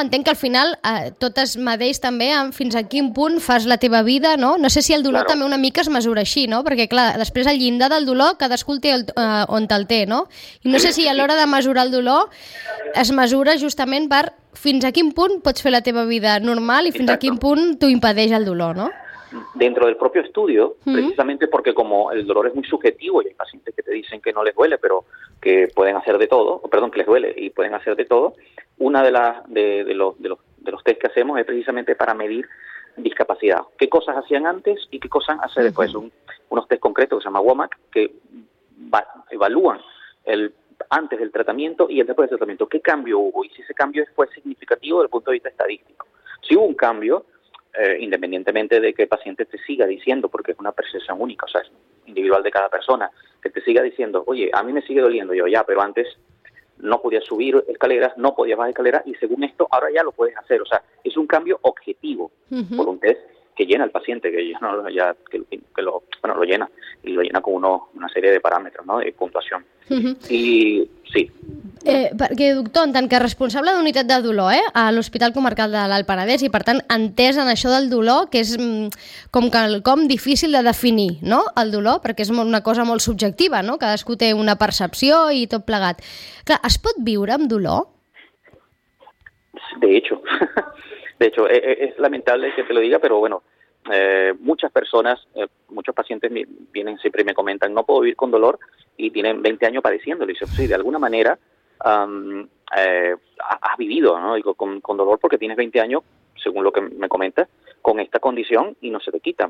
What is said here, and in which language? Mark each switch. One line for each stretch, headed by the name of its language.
Catalan: Entenc que al final tot es medeix també fins a quin punt fas la teva vida, no? No sé si el dolor claro. també una mica es mesura així, no? Perquè, clar, després el llindar del dolor, cadascú el té on el té, no? I no sí, sé si a l'hora de mesurar el dolor es mesura justament per fins a quin punt pots fer la teva vida normal i exacto. fins a quin punt t'ho impedeix el dolor, no?
Spanish: Dentro del propio estudio, uh-huh. precisamente porque como el dolor es muy subjetivo y hay pacientes que te dicen que no les duele, pero que pueden hacer de todo, perdón, que les duele y pueden hacer de todo, una de las de los test que hacemos es precisamente para medir discapacidad. ¿Qué cosas hacían antes y qué cosas hacen uh-huh. después? Unos test concretos que se llama WOMAC que evalúan antes del tratamiento y el después del tratamiento. ¿Qué cambio hubo? Y si ese cambio fue significativo desde el punto de vista estadístico. Si hubo un cambio, independientemente de que el paciente te siga diciendo, porque es una percepción única, o sea, es individual de cada persona, que te siga diciendo, oye, a mí me sigue doliendo, yo ya, pero antes no podías subir escaleras, no podías bajar escaleras, y según esto, ahora ya lo puedes hacer. O sea, es un cambio objetivo, uh-huh, por un test que llena al paciente, que lo llena con una serie de parámetros, ¿no?, de puntuación. Uh-huh. Y sí.
Catalan: Perquè, doctor, en tant que responsable d'unitat de dolor a l'Hospital Comarcal de l'Alt Penedès i, per tant, entès en això del dolor, que és com quelcom difícil de definir, no?, el dolor, perquè és una cosa molt subjectiva, no?, cadascú té una percepció i tot plegat. Clar, es pot viure amb dolor?
Spanish: De hecho, es lamentable que te lo diga, pero bueno, muchas personas, muchos pacientes vienen siempre y me comentan, no puedo vivir con dolor, y tienen 20 años padeciéndolo. Y dice, sí, de alguna manera has vivido, ¿no?, con dolor, porque tienes 20 años, según lo que me comentas, con esta condición y no se te quitan.